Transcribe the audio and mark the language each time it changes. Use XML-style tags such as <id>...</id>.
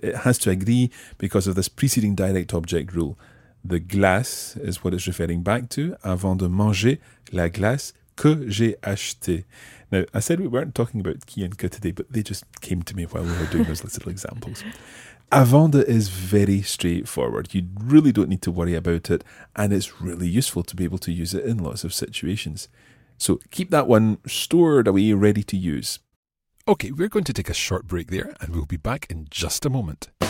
<en>It has to agree because of this preceding direct object rule. The glace is what it's referring back to.</en> <fr>Avant de manger la glace que j'ai acheté.</fr> <en>Now, I said we weren't talking about qui and que today, but they just came to me while we were doing those little examples. Avant de is very straightforward. You really don't need to worry about it. And it's really useful to be able to use it in lots of situations. So keep that one stored away, ready to use. Okay, we're going to take a short break there and we'll be back in just a moment.</en>